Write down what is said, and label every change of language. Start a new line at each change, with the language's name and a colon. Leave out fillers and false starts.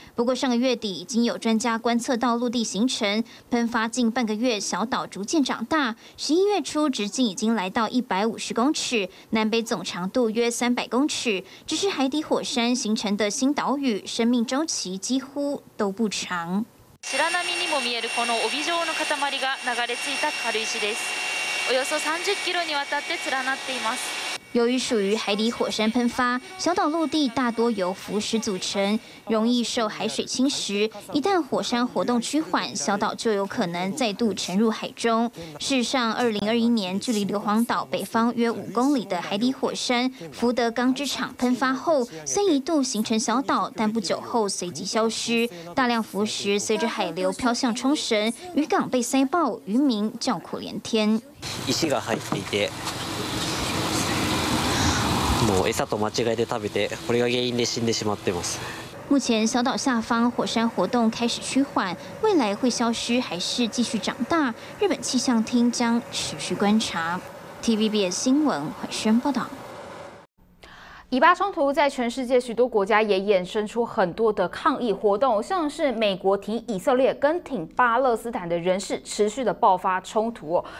Chinese: 不过上个月底已经有专家观测到陆地形成，喷发近半个月，小岛逐渐长大。 11月初直径已经来到150公尺，南北总长度约300公尺。只是海底火山形成的新岛屿，生命周期几乎都不长。
Japanese: 白波にも見えるこの帯状の塊が流れ着いた軽石です。およそ30キロにわたって連なっています。
Chinese: 由于属于海底火山喷发，小岛陆地大多由浮石组成，容易受海水侵蚀。一旦火山活动趋缓，小岛就有可能再度沉入海中。事实上，2021年距离硫磺岛北方约5公里的海底火山福德钢之厂喷发后，虽一度形成小岛，但不久后随即消失。大量浮石随着海流飘向冲绳，渔港被塞爆，渔民叫苦连天。
Japanese: 石が入っていて。もう餌と間違えて食べて、これが原因で死んでしまってます。
Chinese: 目前小岛下方火山活动开始趋缓，未来会消失还是继续长大？日本气象厅将持续观察。TVBS 新闻海宣报道。以巴冲突在全世界许多国家也衍生出很多的抗议活动，像是美国挺以色列跟挺巴勒斯坦的人士持续的爆发冲突。